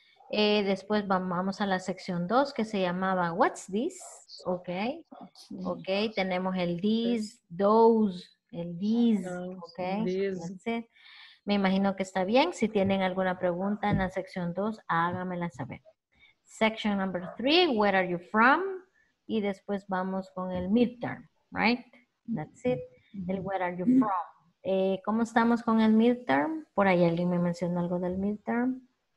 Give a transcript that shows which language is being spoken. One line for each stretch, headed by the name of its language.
Spanish: Después vamos a la sección 2, que se llamaba What's This? Ok. Ok, tenemos el this, those, el these. Ok. Me imagino que está bien. Si tienen alguna pregunta en la sección 2, háganmela saber.
English: Section number 3, where are you from?
Spanish: Y después vamos con el midterm,
English: right? That's it.
Spanish: el where are you from. ¿Cómo estamos con el midterm? Por ahí alguien me mencionó algo del midterm.